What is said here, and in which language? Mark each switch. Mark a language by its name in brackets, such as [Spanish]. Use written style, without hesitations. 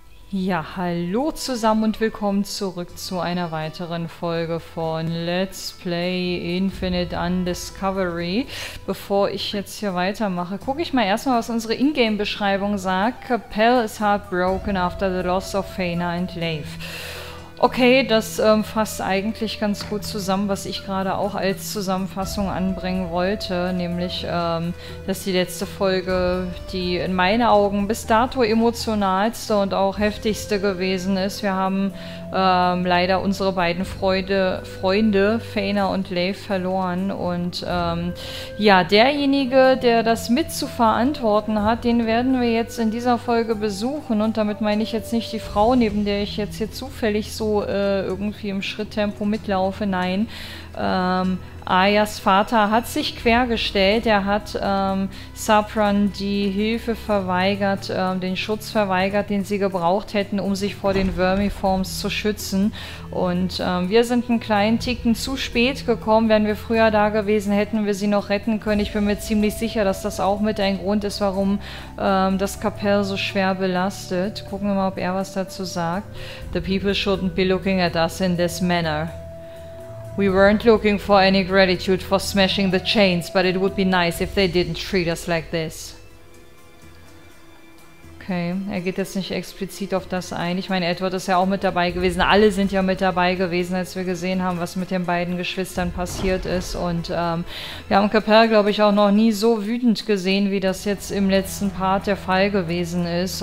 [German] Ja, hallo zusammen und willkommen zurück zu einer weiteren Folge von Let's Play Infinite Undiscovery. Bevor ich jetzt hier weitermache, gucke ich mal erstmal, was unsere Ingame-Beschreibung sagt. [English] Capel is heartbroken after the loss of Faina and Leif. [German] Okay, das fasst eigentlich ganz gut zusammen, was ich gerade auch als Zusammenfassung anbringen wollte, nämlich, dass die letzte Folge die in meinen Augen bis dato emotionalste und auch heftigste gewesen ist. Wir haben leider unsere beiden Freunde, Faina und Leif, verloren und ja, derjenige, der das mit zu verantworten hat, den werden wir jetzt in dieser Folge besuchen, und damit meine ich jetzt nicht die Frau, neben der ich jetzt hier zufällig so irgendwie im Schritttempo mitlaufe, nein. Ayas Vater hat sich quergestellt, er hat Sapran die Hilfe verweigert, den Schutz verweigert, den sie gebraucht hätten, um sich vor den Vermiforms zu schützen. Und wir sind einen kleinen Ticken zu spät gekommen. Wären wir früher da gewesen, hätten wir sie noch retten können. Ich bin mir ziemlich sicher, dass das auch mit ein Grund ist, warum das Capel so schwer belastet. Gucken wir mal, ob er was dazu sagt. [English] The people shouldn't be looking at us in this manner. We weren't looking for any gratitude for smashing the chains, but it would be nice if they didn't treat us like this. [German] Okay, er geht jetzt nicht explizit auf das ein. Ich meine, Edward ist ja auch mit dabei gewesen. Alle sind ja mit dabei gewesen, als wir gesehen haben, was mit den beiden Geschwistern passiert ist. Und wir haben Capel, glaube ich, auch noch nie so wütend gesehen, wie das jetzt im letzten Part der Fall gewesen ist.